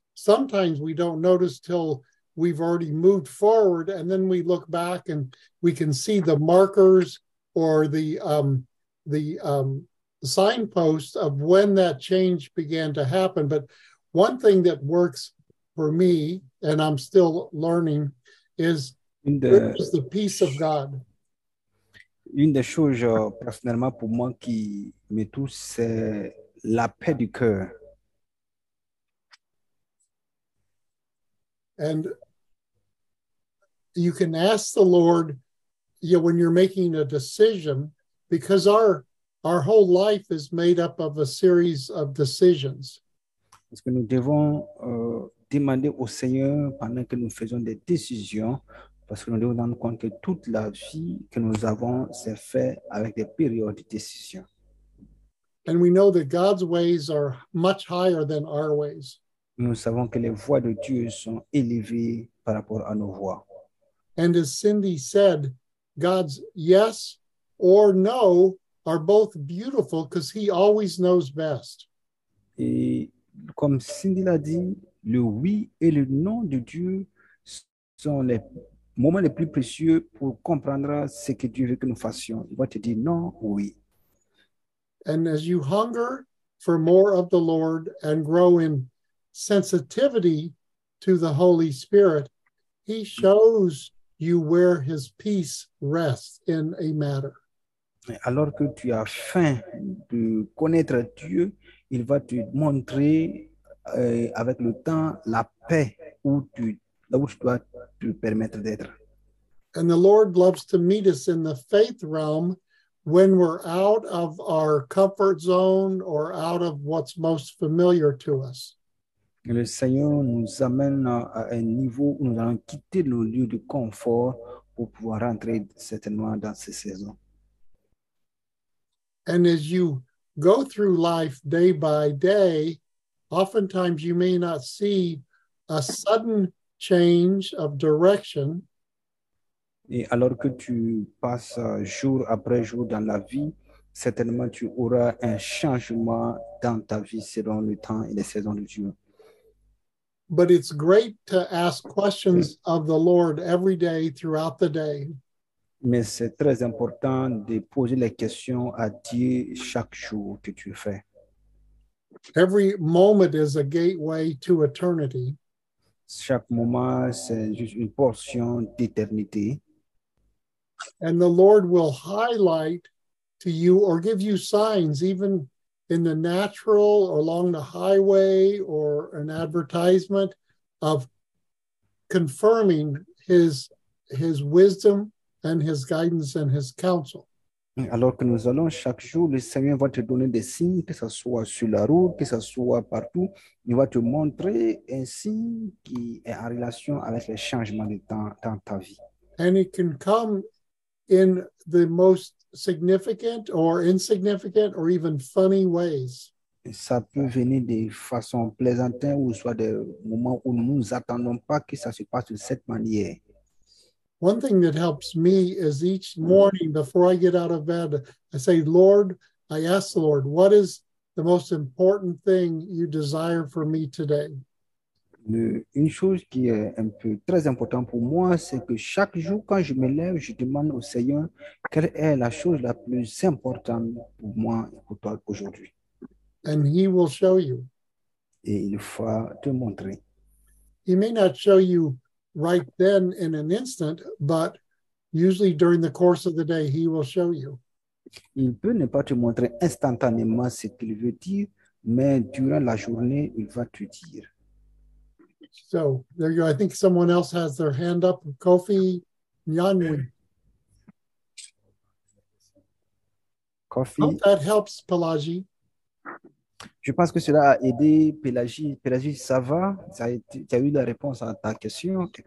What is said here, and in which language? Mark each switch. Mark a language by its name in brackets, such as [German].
[English] Sometimes we don't notice till we've already moved forward, and then we look back and we can see the markers or the signposts of when that change began to happen. But one thing that works for me, and I'm still learning, is the peace of God. [French] Une des choses personnellement pour moi qui me touche, c'est la paix du cœur. [English] And you can ask the Lord, you know, when you're making a decision, because our whole life is made up of a series of decisions. [French] Parce que nous devons demander au Seigneur pendant que nous faisons des décisions, parce que nous devons rendre compte que toute la vie que nous avons s'est fait avec des périodes de décision. [English] And we know that God's ways are much higher than our ways. [French] Nous savons que les voies de Dieu sont élevées par rapport à nos voies. [English] And as Cindy said, God's yes or no are both beautiful because he always knows best. [French] Et comme Cindy l'a dit, le oui et le non de Dieu sont les moments les plus précieux pour comprendre ce que Dieu veut que nous fassions. Il va te dire non ou oui. [English] And as you hunger for more of the Lord and grow in sensitivity to the Holy Spirit, he shows you where his peace rests in a matter. [French] Alors que tu as faim de connaître Dieu, il va te montrer avec le temps la paix là où tu dois te permettre d'être. [English] And the Lord loves to meet us in the faith realm when we're out of our comfort zone or out of what's most familiar to us. [French] Le Seigneur nous amène à un niveau où nous allons quitter nos lieux de confort pour pouvoir rentrer certainement dans ces saisons. [English] And as you go through life day by day, oftentimes you may not see a sudden change of direction. [French] Et alors que tu passes jour après jour dans la vie, certainement tu auras un changement dans ta vie selon le temps et les saisons de Dieu. [English] But it's great to ask questions of the Lord every day throughout the day. [French] Mais c'est très important de poser les questions à Dieu chaque jour que tu fais. [English] Every moment is a gateway to eternity. [French] Chaque moment, c'est juste une portion d'éternité. [English] And the Lord will highlight to you or give you signs, even in the natural or along the highway or an advertisement, of confirming his wisdom and his guidance and his counsel. [French] Alors que nous allons chaque jour, le Seigneur va te donner des signes, que ce soit sur la route, que ce soit partout. Il va te montrer un signe qui est en relation avec les changements de temps dans ta vie. [English] And it can come in the most significant or insignificant or even funny ways. [French] Ça peut venir de façon plaisante ou soit des moments où nous nous attendons pas que ça se passe de cette manière. [English] One thing that helps me is each morning before I get out of bed, I say, Lord, I ask the Lord, what is the most important thing you desire for me today? [French] Une chose qui est un peu très importante pour moi, c'est que chaque jour quand je me lève, je demande au Seigneur quelle est la chose la plus importante pour moi et pour toi aujourd'hui. [English] And he will show you. [French] Et il va te montrer. [English] He may not show you right then in an instant, but usually during the course of the day, he will show you. [French] Il peut ne pas te montrer instantanément ce qu'il veut dire, mais durant la journée, il va te dire. [English] So there you go. I think someone else has their hand up. Kofi Nyanwi. Kofi. Hope that helps, Pelagi. [French] Je pense que cela a aidé Pelagie. Pelagie, ça va? Tu as eu la réponse à ta question?